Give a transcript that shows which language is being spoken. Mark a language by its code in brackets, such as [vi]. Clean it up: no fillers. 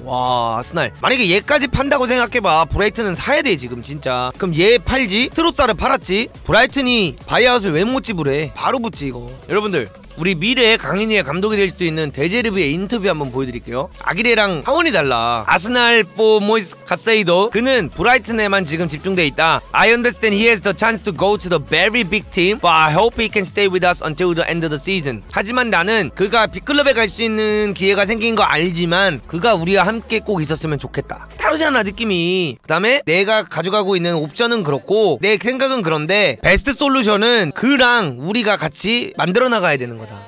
[ko] 와 아스날 만약에 얘까지 판다고 생각해봐. 브라이튼은 사야 돼 지금 진짜. 그럼 얘 팔지? 트로사르 팔았지? 브라이튼이 바이아웃을 왜 못 지불해? 바로 붙지 이거. 여러분들 우리 미래 강인이의 감독이 될 수도 있는 데제르브의 인터뷰 한번 보여드릴게요. 아기레랑 하원이 달라. 아스날 포 모이스 카세이도 그는 브라이튼에만 지금 집중돼 있다. [en] I understand he has the chance to go to the very big team but I hope he can stay with us until the end of the season. [ko] 하지만 나는 그가 빅클럽에 갈 수 있는 기회가 생긴 거 알지만 그가 우리와 함께 꼭 있었으면 좋겠다. 다르잖아 느낌이. 그 다음에 내가 가져가고 있는 옵션은 그렇고 내 생각은 그런데 베스트 솔루션은 그랑 우리가 같이 만들어 나가야 되는 거다.